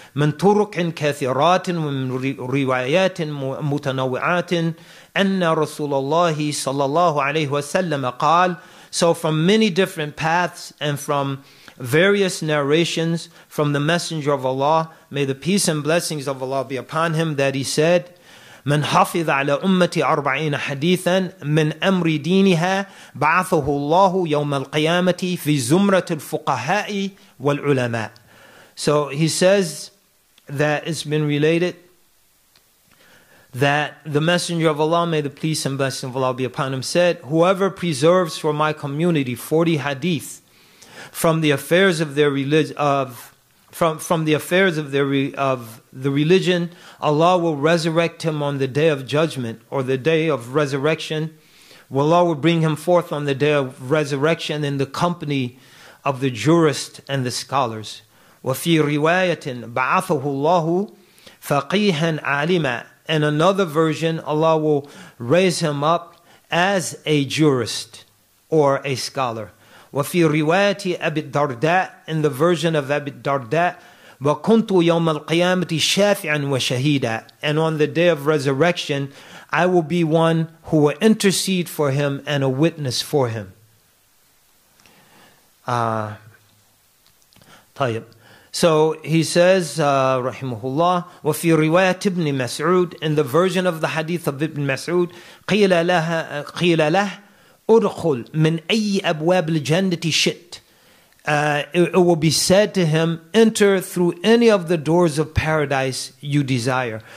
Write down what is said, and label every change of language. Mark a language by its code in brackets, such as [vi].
[ar] من طرق كثيرة ومن روايات متنوعة أن رسول الله صلى الله عليه وسلم قال. [en] So from many different paths and from various narrations from the Messenger of Allah, may the peace and blessings of Allah be upon him, that he said, [ar] من حفظ على أمتي أربعين حديثا من أمر دينها بعثه الله يوم القيامة في زمرة الفقهاء والعلماء. [en] So he says that it's been related that the Messenger of Allah, may the peace and blessing of Allah be upon him, said, whoever preserves for my community 40 hadith from the affairs of their religion, from the affairs of the religion, Allah will resurrect him on the day of judgment or the day of resurrection. Allah will bring him forth on the day of resurrection in the company of the jurists and the scholars. [ar] وفي رواية بعثه الله فقيها عالما. [en] In another version, Allah will raise him up as a jurist or a scholar. [ar] وفي رواية أبي الدرداء. [en] In the version of أبي الدرداء. [ar] وكنت يوم القيامة شافعا وشهيدا. [en] And on the day of resurrection, I will be one who will intercede for him and a witness for him. [ar] طيب. [en] So he says, rahimahullah, [ar] وفي رواية ابن مسعود, [en] in the version of the hadith of [ar] ابن مسعود, قيل له أدخل من أي أبواب الجنة شئت. [en] It will be said to him, enter through any of the doors of paradise you desire.